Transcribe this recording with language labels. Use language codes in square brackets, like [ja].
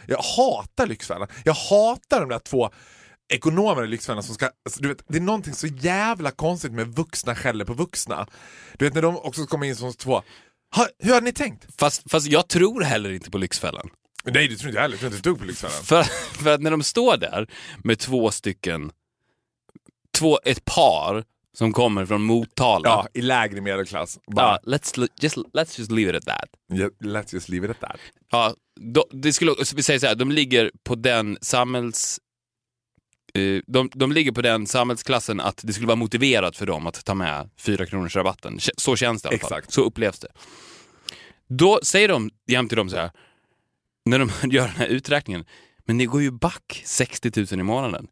[sv] Jag hatar Lyxfällan. Jag hatar de där två ekonomer i Lyxfällan som ska, alltså, du vet, det är någonting så jävla konstigt med vuxna skäller på vuxna. Du vet, när de också kommer in som två, hur har ni tänkt? Fast jag tror heller inte på Lyxfällan. Nej, du tror inte heller, du tror inte du på Lyxfällan. För att när de står där med två stycken, ett par som kommer från Motala. Ja, i lägre medelklass. [en] Ja, let's just leave it at that. Yeah, let's just leave it at that. [sv] Ja, då, det skulle, vi säger så här, de ligger på den samhälls... De ligger på den samhällsklassen att det skulle vara motiverat för dem att ta med 4 kronors rabatten. Så känns det i alla fall. Exakt. Så upplevs det. Då säger de jämt till dem så här, när de gör den här uträkningen, men det går ju back 60 000 i månaden.